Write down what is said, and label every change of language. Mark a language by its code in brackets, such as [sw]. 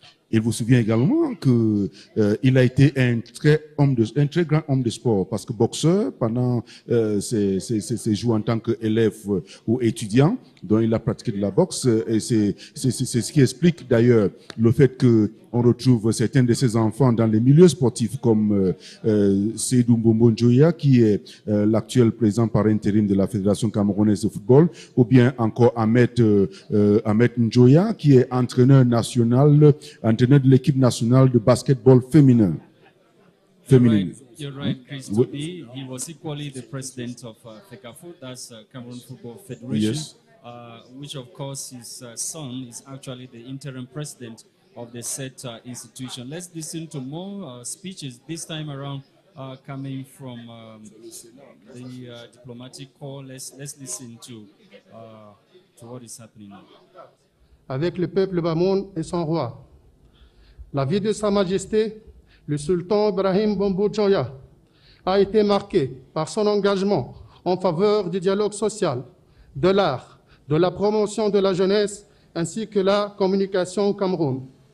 [fr] Il vous souvient également que il a été un très grand homme de sport, parce que boxeur pendant ses jours en tant qu'élève ou étudiant, dont il a pratiqué de la boxe, et c'est ce qui explique d'ailleurs le fait que on retrouve certains de ses enfants dans les milieux sportifs, comme Seydou Mbombondjoya, qui est l'actuel président par intérim de la Fédération Camerounaise de Football, ou bien encore Ahmed Njoya, qui est entraîneur de l'équipe nationale de basketball féminin. [en] You're right, Chris. He was equally the president of FECAFOOT, that's Cameroon Football Federation, yes. Which of course his son is actually the interim president of the said institution. Let's listen to more speeches this time around coming from the diplomatic corps. Let's listen to what is happening now. [fr] Avec le peuple Bamoun et son roi, la vie de Sa Majesté le Sultan Ibrahim Bombondjoya a été marquée par son engagement en faveur du dialogue social, de l'art, de la promotion de la jeunesse ainsi que la communication au Cameroun.